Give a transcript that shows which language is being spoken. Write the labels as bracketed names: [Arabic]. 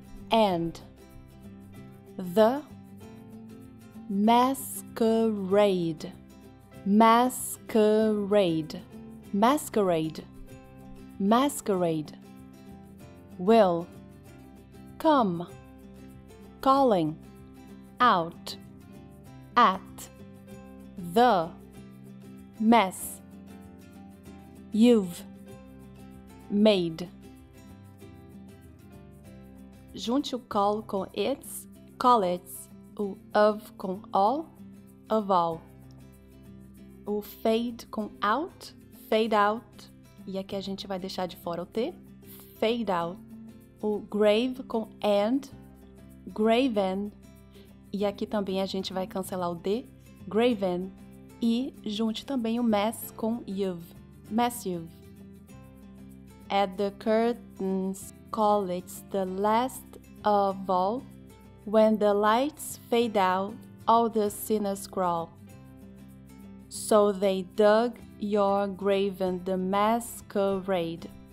[English] and the masquerade will come calling out at the mess you've made. [Portuguese] Junte o call com it's, [English] call it's, [Portuguese] o of com all, [English] of all. [Portuguese] O fade com out, [English] fade out, [Portuguese] e aqui a gente vai deixar de fora o T, fade out. O grave com and, graven, e aqui também a gente vai cancelar o D, graven. E junte também o mess com you've, [English] mess you've. At the curtains, call it the last of all. When the lights fade out, all the sinners crawl. So they dug your grave in the masquerade.